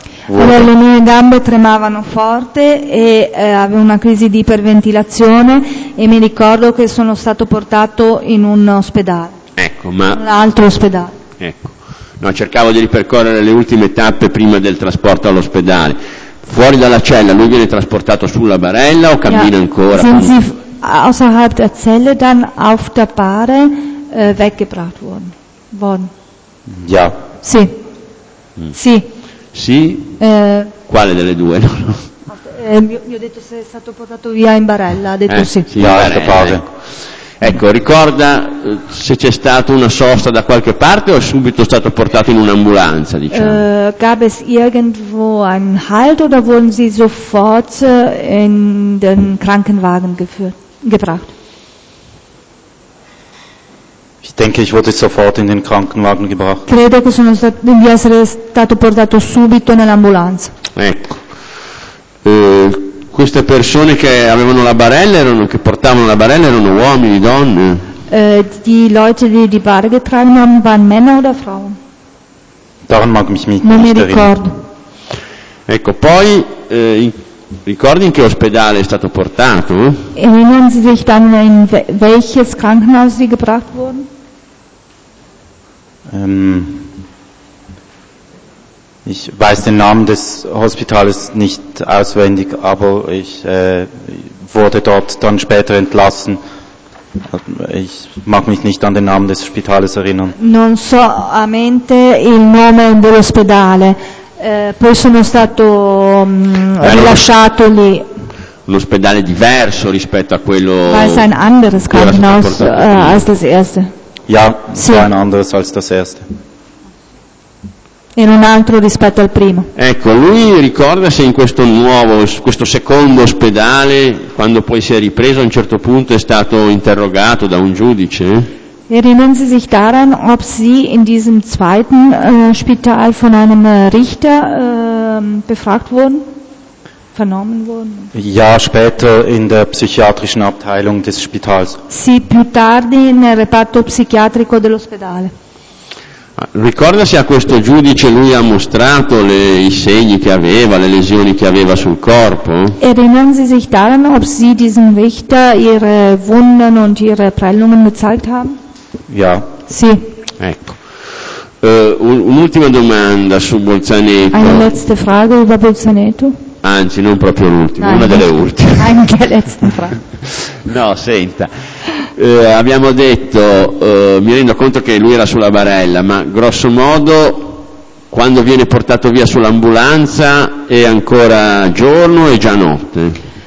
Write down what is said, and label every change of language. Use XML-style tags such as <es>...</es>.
<it>Allora, le mie gambe tremavano forte e avevo una crisi di iperventilazione e mi ricordo che sono stato portato in un ospedale. Ecco, ma un altro ospedale. Ecco. No, cercavo di ripercorrere le ultime tappe prima del trasporto all'ospedale. Fuori dalla cella, lui viene trasportato sulla barella o cammina ancora?</it> <de>Sind sie außerhalb der Zelle dann auf der Bare weggebracht worden? Ja.</de> <it>Sì. Sì. Sì? Quale delle due? Io ho detto se è stato portato via in barella, ha detto sì. Sì, no, barella, ecco. Ecco, ricorda se c'è stata una sosta da qualche parte o è subito stato portato in un'ambulanza, diciamo?</it> <de>Gab es irgendwo einen Halt oder wurden Sie sofort in den Krankenwagen gebracht? Ich denke, ich wurde sofort in den Krankenwagen gebracht.</de> <it>Credo che sono stato, di essere stato portato subito nell'ambulanza. Ecco. Queste persone che avevano la barella erano, che portavano la barella erano uomini, donne?</it> <de>Die Leute, die die Bare getragen haben, waren Männer oder Frauen? Daran mag mich nicht erinnern.</de> <it>Non mi ricordo. Ecco, poi, ricordi in che ospedale è stato portato?</it> <de>Erinnern Sie sich dann, in welches Krankenhaus Sie gebracht wurden? Ich weiß den Namen des Hospitals nicht auswendig, aber ich wurde dort dann später entlassen. Ich mag mich nicht an den Namen des Spitals erinnern.</de> <it>Non so a mente il nome dell'ospedale. Poi sono stato rilasciato lì. L'ospedale diverso rispetto a quello.</it> <de>War es ein anderes Krankenhaus als das erste? Ja, sì. War ein anderes als das erste.</de> <it>In un altro rispetto al primo. Ecco, lui ricorda se in questo nuovo, questo secondo ospedale, quando poi si è ripreso a un certo punto è stato interrogato da un giudice?</it> <de>Erinnern Sie sich daran, ob Sie in diesem zweiten Spital von einem Richter befragt wurden? Vernommen wurden? Ja, später in der psychiatrischen Abteilung des Spitals.</de> <it>Sì, più tardi nel reparto psichiatrico dell'ospedale. Ricorda se a questo giudice lui ha mostrato i segni che aveva, le lesioni che aveva sul corpo?</it> <de>Erinnern Sie sich daran, ob Sie diesem Richter Ihre Wunden und Ihre Prellungen gezeigt haben? Ja.</de> <it>Sì. Ecco. Un'ultima domanda su Bolzaneto.</it> <de>Eine letzte Frage über Bolzaneto?</de> <it>Anzi, non proprio l'ultima, una delle ultime.</it> <de>Anche letzte Frage.</de> <it>No, senta. Abbiamo detto, mi rendo conto che lui era sulla barella, ma grosso modo quando viene portato via sull'ambulanza è ancora giorno e già notte.</it>